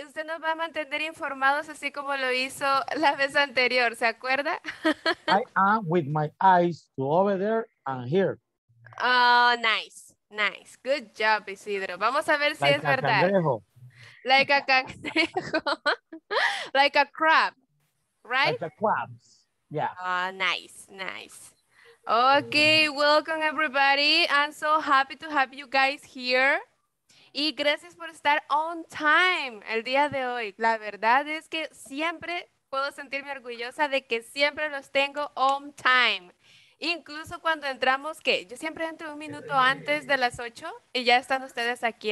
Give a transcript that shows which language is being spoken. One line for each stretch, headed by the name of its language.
Spanish: Usted nos va a mantener informados así como lo hizo la vez anterior, ¿se acuerda?
English: I am with my eyes to over there and here. Oh, nice, nice. Good job, Isidro.
Spanish: Vamos a ver si
English: like
Spanish: es verdad.
English: Cangrejo. Like a cangrejo, like a crab, right? Like a crab, yeah. Oh, nice, nice. Okay, welcome everybody. I'm so happy to have you guys here.
Spanish: Y gracias por estar
English: on time
Spanish: el día de hoy. La verdad es que siempre puedo sentirme orgullosa de que siempre los tengo
English: on time.
Spanish: Incluso cuando entramos, ¿qué? Yo siempre entro un minuto antes de las 8 y ya están ustedes aquí.